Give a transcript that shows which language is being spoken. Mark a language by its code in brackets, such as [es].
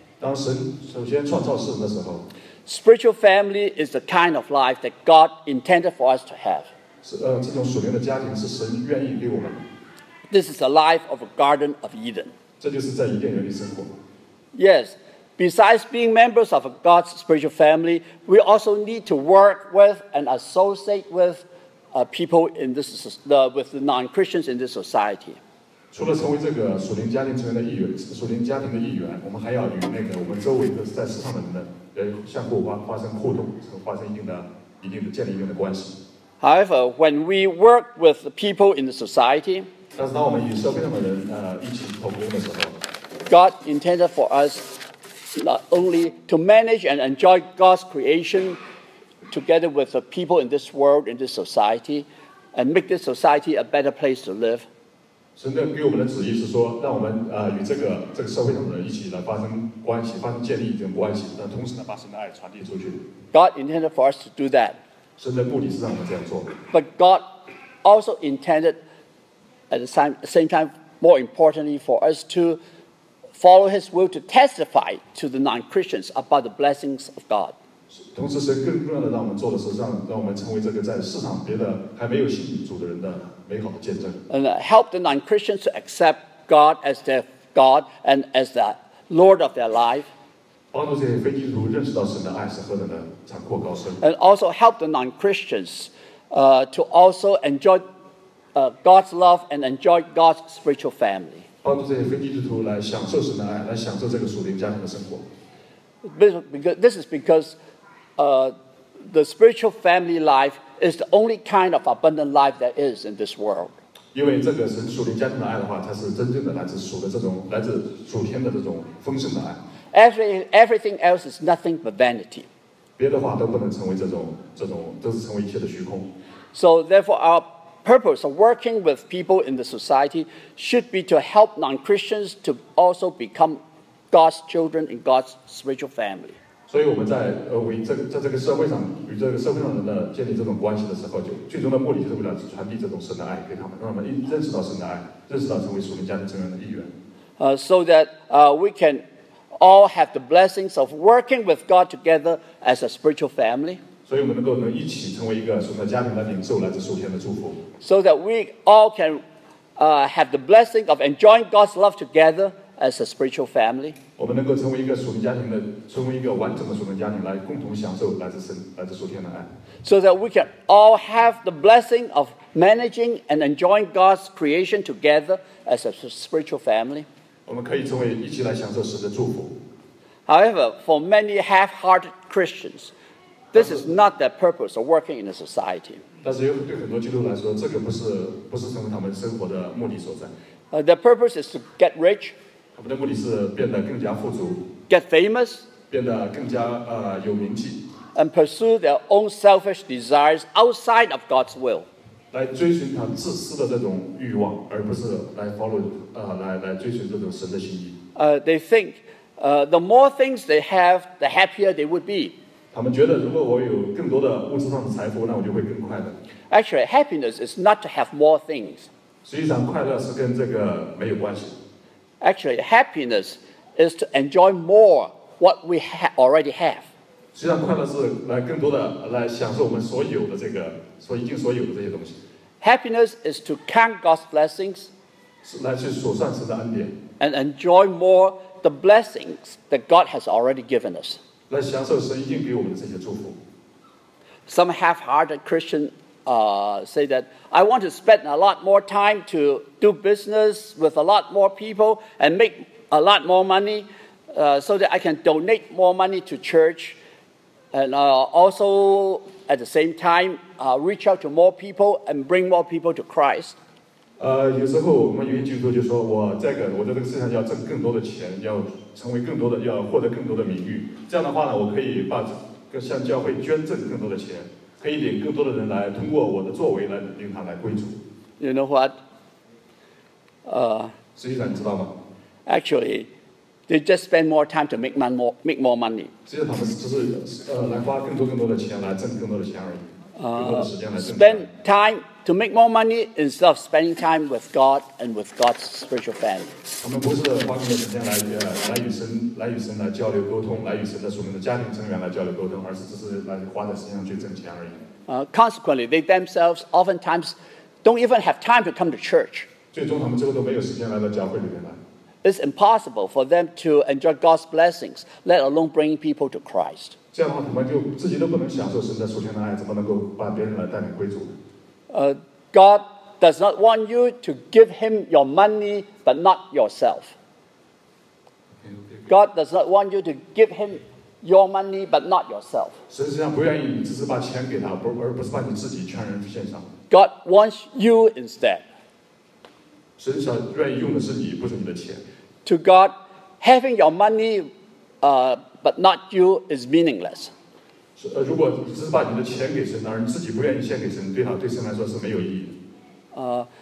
[zh] 当神首先创造世人的时候 [en] ，spiritual family is the kind of life that God intended for us to have. [zh] 这种属灵的家庭是神愿意给我们。 [en] This is the life of a Garden of Eden. [zh] 这就是在伊甸园里生活。 [en] Yes. Besides being members of God's spiritual family, we also need to work with and associate with people in this, with the non-Christians in this society. [zh] 除了成为这个属灵家庭成员的一员，属灵家庭的一员，我们还要与那个我们周围的在世上的人的相互发生互动，发生一定的建立一定的关系。 [en] However, when we work with the people in the society, [zh] 但是当我们与社会上的人一起同工的时候 [en] ，God intended for us. Not only to manage and enjoy God's creation together with the people in this world, in this society, and make this society a better place to live. [zh] 神的给我们的旨意是说，让我们与这个社会上的人一起来发生关系，发生建立一种关系，但同时呢，把神的爱传递出去。 [en] God intended for us to do that. [zh] 神的目的是让我们这样做。 [en] But God also intended, at the same time, more importantly, for us to. Follow his will to testify to the non-Christians about the blessings of God. [zh] 同时是更重要的让我们做的是让我们成为这个在世上别的还没有信主的人的美好的见证。 [en] And help the non-Christians to accept God as their God and as the Lord of their life. [zh] 帮助这些非基督徒认识到神的爱是何等的广阔高深。 [en] And also help the non-Christians to also enjoy God's love and enjoy God's spiritual family. [zh] 帮助这些非基督徒来享受神的爱，来享受这个属灵家庭的生活。 [en] This is because, the spiritual family life is the only kind of abundant life there is in this world. [zh] 因为这个是属灵家庭的爱的话，它是真正的来自属天的这种丰盛的爱。 [en] Everything else is nothing but vanity. [zh] 别的话都不能成为这种都是成为一切的虚空。 [en] So therefore our purpose of working with people in the society should be to help non-Christians to also become God's children in God's spiritual family. [zh] 所以我们在这个社会上与这个社会上的人的建立这种关系的时候，就最终的目的就是为了传递这种神的爱给他们，让他们认识到神的爱，认识到成为属灵家庭成员的一员。 [en] So that we can all have the blessings of working with God together as a spiritual family. [zh] 所以我们能够一起成为一个属灵的家庭来领受来自属天的祝福。 [en] So that we all can have the blessing of enjoying God's love together as a spiritual family. [zh] 我们能够成为一个属灵家庭的，成为一个完整的属灵家庭来共同享受来自属天的爱。 [en] So that we can all have the blessing of managing and enjoying God's creation together as a spiritual family. [zh] 我们可以成为一起来享受神的祝福。 [en] However, for many half-hearted Christians,This is not the purpose of working in a society. [zh] 但是对很多基督徒来说，这个不是成为他们生活的目的所在。 [en] The purpose is to get rich. [zh] 他们的目的是变得更加富足。 [en] Get famous. [zh] 变得更加有名气。 [en] And pursue their own selfish desires outside of God's will. [zh] 来追寻他自私的这种欲望，而不是来 follow 来追寻这种神的心意。 [en] They think the more things they have, the happier they would be. [zh] 他们觉得如果我有更多的物质上的财富，那我就会更快乐。 [en] Actually, happiness is not to have more things. [zh] 实际上快乐是跟这个没有关系。 [en] Actually, happiness is to enjoy more what we already have. [zh] 实际上快乐是来更多的来享受我们所有的这个所已经所有的这些东西。 [en] Happiness is to count God's blessings. [zh] 是来去数算神的恩典。 [en] And enjoy more the blessings that God has already given us. [zh] 来享受神已经给我们的这些祝福。 [en] Some half-hearted Christian say that I want to spend a lot more time to do business with a lot more people and make a lot more money so that I can donate more money to church and also at the same time reach out to more people and bring more people to Christ. [zh] 有时候我们有一句话就说我在个我在这个世上要挣更多的钱要成为更多的要获得更多的名誉这样的话呢我可以把向教会捐赠更多的钱可以领更多的人来通过我的作为来领他来归主。 [en] You know what? [zh] 实际上你知道吗 [en] ？Actually, they just spend more time to make more money. [zh] 实际上他们只是来花更多的钱来挣更多的钱而已，更多的时间来挣钱。 [en] Spend time to make more money instead of spending time with God and with God's spiritual family. [zh] 他们不是花更多时间来与神来交流沟通，来与神的属灵的家庭成员来交流沟通，而是只是来花在身上去挣钱而已。 [en] Consequently, they themselves oftentimes don't even have time to come to church. [zh] 最终他们最后都没有时间来到教会里面来。 [en] It's impossible for them to enjoy God's blessings, let alone bring people to Christ. [zh] 这样的话，他们就自己都不能享受神的属灵的爱，怎么能够把别人来带领归主？ [en] God does not want you to give him your money, but not yourself. God does not want you to give him your money, but not yourself. [zh] 神实际上不愿意只是把钱给他，而不是把你自己全人献上。 [en] God wants you instead. [zh] 神实际上愿意用的是你，不是你的钱。 [en] To God, having your money, but not you is meaningless. [zh] 如果只是把你的钱给神，而你自己不愿意献给神，对神来说是没有意义的。